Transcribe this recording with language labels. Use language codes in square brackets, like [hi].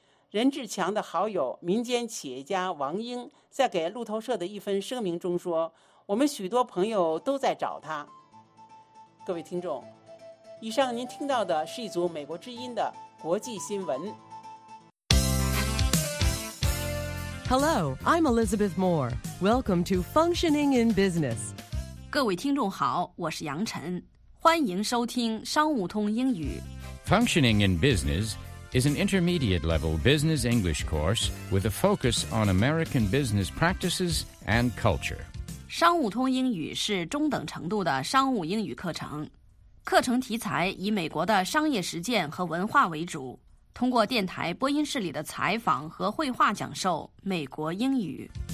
[zh] 任志强的好友民间企业家王英在给路透社的一份声明中说，我们许多朋友都在找他。各位听众，以上您听到的是一组美国之音的国际新闻。 [en] Hello, I'm Elizabeth Moore. Welcome to Functioning in Business. [zh] 各位听众好，我是杨晨，欢迎收听商务通英语。 [en] Functioning in Business is an intermediate level business English course with a focus on American business practices and culture. [zh] 商务通英语是中等程度的商务英语课程，课程题材以美国的商业实践和文化为主，通过电台播音室里的采访和绘画讲授美国英语。